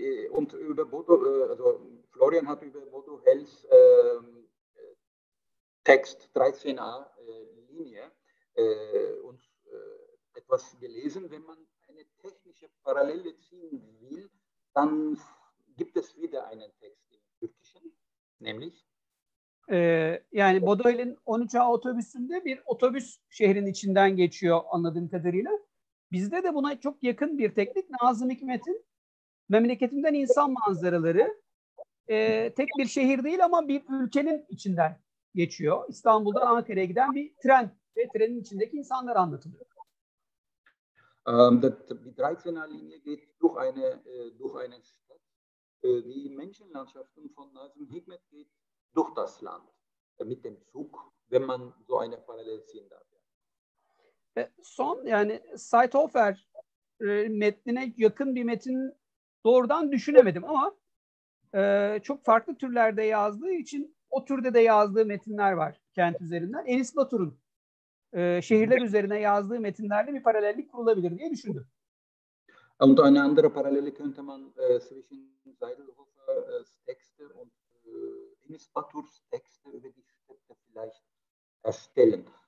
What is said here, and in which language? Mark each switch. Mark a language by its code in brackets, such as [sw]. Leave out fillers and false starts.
[de] Und über Bodo, also Florian hat über Bodo Hells Text 13a Linie uns etwas gelesen. Wenn man eine technische Parallele ziehen will, dann gibt es wieder einen Text im Türkischen, nämlich [tr] yani Bodo Hell'in 13a otobüsünde bir otobüs şehrin içinden geçiyor anladığım kadarıyla. Bizde de buna çok yakın bir teknik Nazım Hikmet'in Memleketimden İnsan Manzaraları tek bir şehir değil ama bir ülkenin içinden geçiyor. İstanbul'dan Ankara'ya giden bir tren ve trenin içindeki insanlar anlatılıyor. [de] Die 13a Linie geht durch eine Stadt. Die Menschenlandschaften von Nazım Hikmet geht durch das Land mit dem Zug, wenn man so eine Parallele ziehen darf. [tr] Son yani Seithofer metnine yakın bir metin doğrudan düşünemedim ama çok farklı türlerde yazdığı için o türde de yazdığı metinler var kent üzerinden. Enis Batur'un şehirler üzerine yazdığı metinlerle bir paralellik kurulabilir diye düşündüm. [de] Und eine andere Parallele könnte man zwischen Seithofers Texte und Enis Batur's Texte über die Städte vielleicht erstellen.